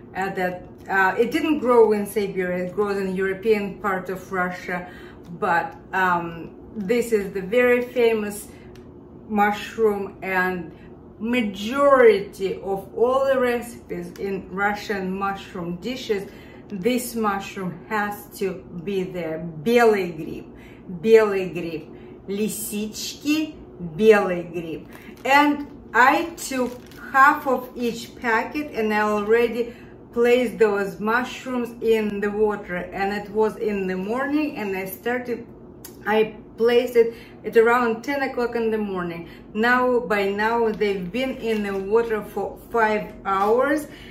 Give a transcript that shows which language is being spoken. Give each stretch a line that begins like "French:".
English: It didn't grow in Siberia, it grows in the European part of Russia. But this is the very famous mushroom, and majority of all the recipes in Russian mushroom dishes, this mushroom has to be there.
Russian: Белый гриб, белый гриб, лисички, белый гриб.
English: And I took half of each packet, and I already placed those mushrooms in the water, and it was in the morning, and I placed it at around 10 o'clock in the morning. Now, by now, they've been in the water for 5 hours.